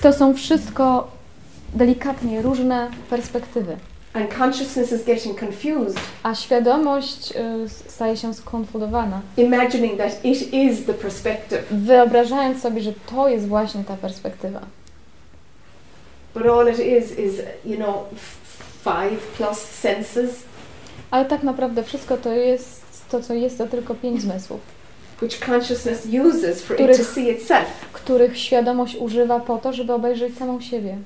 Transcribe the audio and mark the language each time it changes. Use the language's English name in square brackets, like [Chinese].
[Polish] To są wszystko delikatnie różne perspektywy. [English] And consciousness is getting confused. [Polish] A świadomość staje się skonfundowana. [English] Imagining that it is the perspective. [Polish] Wyobrażając sobie, że to jest właśnie ta perspektywa. [English] But all it is you know, five plus senses. [Polish] Ale tak naprawdę wszystko to jest to, co jest, to tylko pięć zmysłów. [English] Which consciousness uses for it to see itself. [Polish] Których świadomość używa po to, żeby obejrzeć samą siebie.